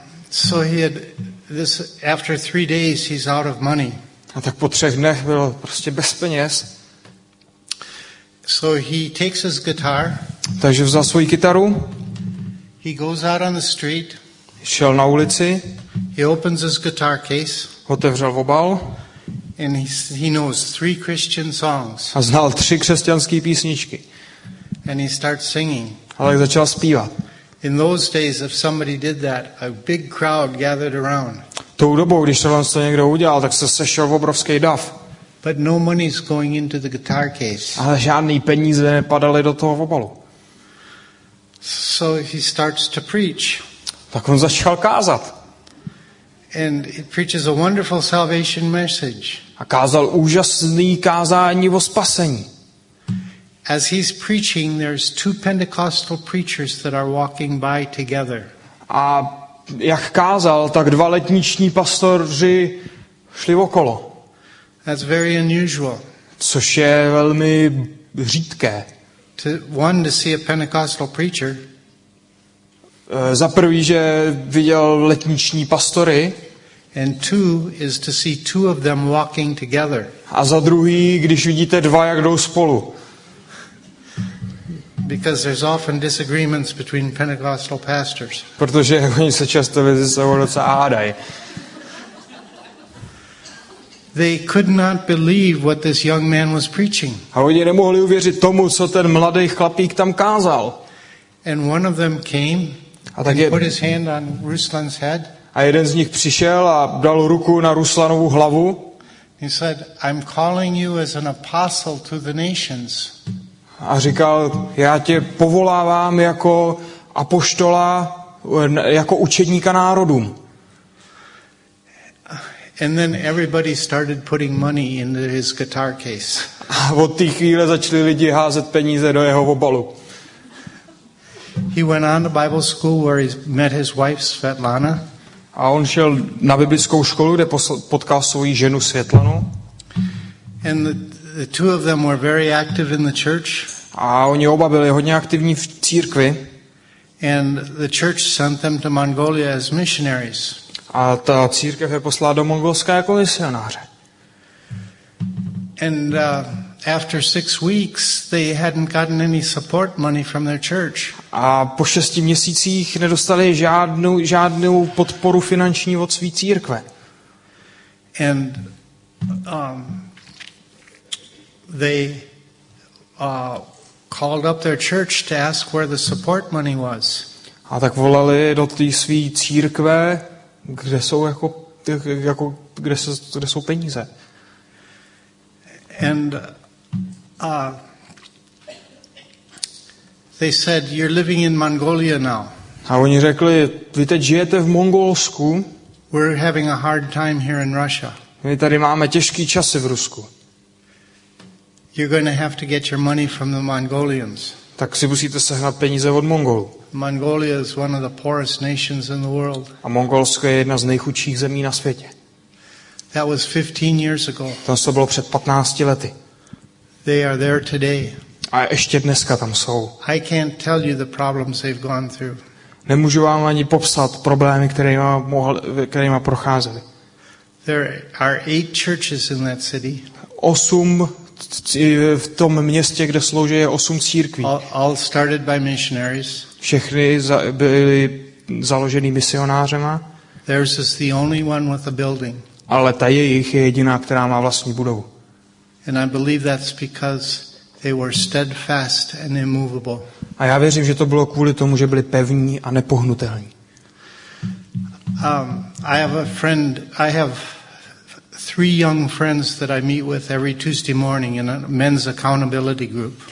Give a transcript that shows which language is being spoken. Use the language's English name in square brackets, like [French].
[English] So he had this after 3 days he's out of money. [Czech] A tak po třech dnech byl prostě bez peněz. [English] So he takes his guitar. [Czech] Takže vzal svou kytaru. [English] He goes out on the street. [Czech] Šel na ulici. [English] He opens his guitar case. [Czech] Otevřel obal. [English] And he knows 3 Christian songs. [Czech] A znal 3 křesťanské písničky. [English] And he starts singing. [Czech] A tak začal zpívat. [English] In those days if somebody did that, a big crowd gathered around. [Czech] Tou dobou, když tohle to někdo udělal, tak se sešel obrovský dav. [English] But no money's going into the guitar case. [Czech] Ale žádný peníze nepadaly do toho obalu. [English] So he starts to preach. [Czech] Tak on začal kázat. [English] And he preaches a wonderful salvation message. [Czech] A kázal úžasný kázání o spasení. [English] As he's preaching, there's 2 Pentecostal preachers that are walking by together. [Czech] A jak kázal, tak 2 letniční pastoři šli okolo. [English] That's very unusual. [Czech] Což je velmi řídké. [English] To see a Pentecostal preacher. [Czech] Za prvý, že viděl letniční pastory. [English] And 2 is to see 2 of them walking together. [Czech] A za druhý, když vidíte 2, jak jdou spolu. [English] Because there's often disagreements between Pentecostal pastors. [Czech] Protože oni se často mezi sebou docela hádají. [English] They could not believe what this young man was preaching. [Czech] A oni nemohli uvěřit tomu, co ten mladý chlapík tam kázal. [English] And one of them came and put his hand on Ruslan's head. [Czech] A jeden z nich přišel a dal ruku na Ruslanovu hlavu. [English] He said, "I'm calling you as an apostle to the nations." [Czech] A říkal, já tě povolávám jako apoštola, jako učedníka národům. [English] And then everybody started putting money into his guitar case. [Czech] A od té chvíle začali lidi házet peníze do jeho obalu. [English] He went on to Bible school where he met his wife Svetlana. [Czech] A on šel na biblickou školu, kde potkal svou ženu Světlanu. [English] And the two of them were very active in the church. [Czech] A oni oba byli hodně aktivní v církvi. [English] And the church sent them to Mongolia as missionaries. [Czech] A ta církev je poslala do Mongolska jako misionáře. [English] And after 6 weeks they hadn't gotten any support money from their church. [Czech] A po 6 měsících nedostali žádnou podporu finanční od své církve. [English] And they called up their church to ask where the support money was. [Czech] A tak volali do té své církve, kde jsou jako kde jsou peníze. [English] And they said, "You're living in Mongolia now." [Czech] A oni řekli, vy teď žijete v Mongolsku. [English] We're having a hard time here in Russia. [Czech] My tady máme těžký časy v Rusku. [English] You're going to have to get your money from the Mongolians. [Czech] Tak si musíte sehnat peníze od Mongolů. [English] Mongolia is one of the poorest nations in the world. [Czech] A Mongolsko je jedna z nejchudších zemí na světě. [English] That was 15 years ago. [Czech] To bylo před 15 lety. [English] They are there today. [Czech] A ještě dneska tam jsou. [English] I can't tell you the problems they've gone through. [Czech] Nemůžu vám ani popsat problémy, kterýma procházeli. [English] There are 8 churches in that city. [Czech] 8 v tom městě, kde slouží, je 8 církví. [English] All started by missionaries. [Czech] Všechny byly založeny misionářema. [English] Theirs is the only one with a building. [Czech] Ale ta jejich je jediná, která má vlastní budovu. [English] And I believe that's because they were steadfast and immovable. [Czech] A já věřím, že to bylo kvůli tomu, že byli pevní a nepohnutelní. [English] I have a friend, I have 3 young friends that I meet with every Tuesday morning in a men's accountability group.